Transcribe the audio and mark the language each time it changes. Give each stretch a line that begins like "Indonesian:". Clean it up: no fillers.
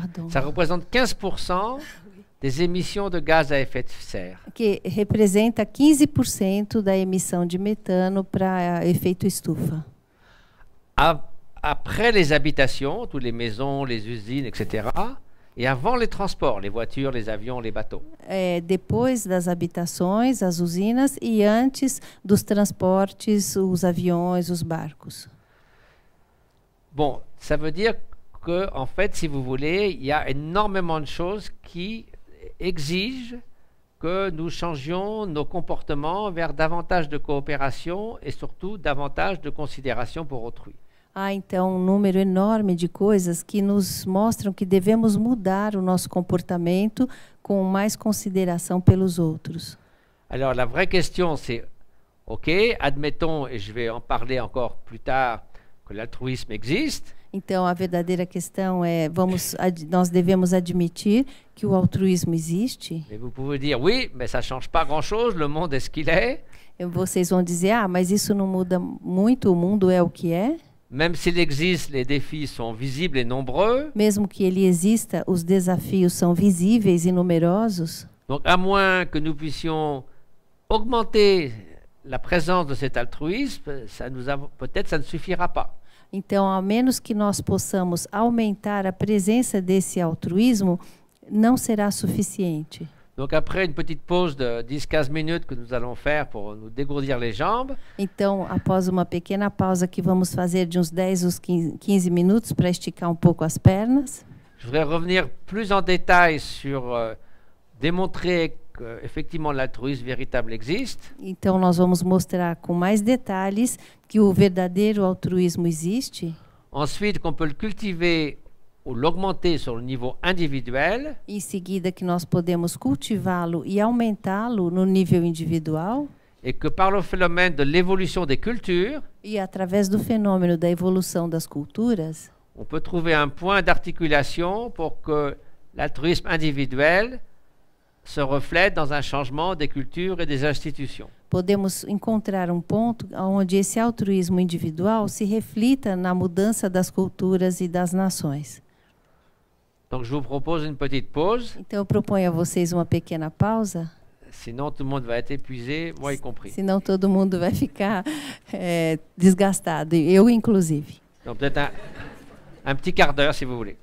French: ça représente 15% des émissions de gaz à effet de serre.
Portuguese: Que representa 15% da emissão de metano para efeito estufa.
French: Après les habitations, toutes les maisons, les usines, etc. Et avant les transports, les voitures, les avions, les bateaux.
Portuguese: Depois das habitações, as usinas, e antes dos transportes, os aviões, os barcos.
French: Bon, ça veut dire que, en fait, si vous voulez, il y a énormément de choses qui exigent que nous changions nos comportements vers davantage de coopération et surtout davantage de considération pour autrui.
Portuguese: Há então um número enorme de coisas que nos mostram que devemos mudar o nosso comportamento com mais consideração pelos outros.
French: Alors la vraie question c'est OK, admettons et je vais en parler encore plus tard que l'altruisme existe.
Portuguese: Então a verdadeira questão é nós devemos admitir que o altruísmo existe?
French: Et vous pouvez dire oui, mais ça change pas grand-chose, le monde est ce qu'il est.
Portuguese: Vocês vão dizer: "Ah, mas isso não muda muito, o mundo é o que é."
French: Même s'il existe, les défis sont visibles et nombreux.
Portuguese: Mesmo que ele exista, os desafios são visíveis e numerosos.
French: Donc, à moins que nous puissions augmenter la présence de cet altruisme, peut-être ça ne suffira pas.
Portuguese: Então, a menos que nós possamos aumentar a presença desse altruísmo, não será suficiente.
French: Donc après une petite pause de 10-15 minutes que nous allons faire pour nous dégourdir les jambes.
Portuguese: Então, após uma pequena pausa que vamos fazer de uns 10 ou 15 minutos para esticar um pouco as pernas.
French: Je voudrais revenir plus en détail sur démontrer que effectivement l'altruisme véritable existe.
Portuguese: Então nós vamos mostrar com mais detalhes que o verdadeiro altruísmo existe.
French: Ensuite, qu'on peut le cultiver ou l'augmenter sur le niveau individuel.
Portuguese: Em seguida, que nós podemos cultivá-lo e aumentá-lo no nível individual.
French: Et que par le phénomène de l'évolution des cultures,
Portuguese: e através do fenômeno da evolução das culturas,
French: on peut trouver un point d'articulation pour que l'altruisme individuel se reflète dans un changement des cultures et des institutions.
Portuguese: Podemos encontrar um ponto onde esse altruísmo individual se reflita na mudança das culturas e das nações.
French: Donc je vous propose une petite pause.
Portuguese: Então eu proponho a vocês uma pequena pausa.
French: Sinon tout le monde va être épuisé, moi y compris.
Portuguese: Senão todo mundo vai ficar desgastado, eu inclusive.
French: Donc peut-être un petit quart d'heure si vous voulez.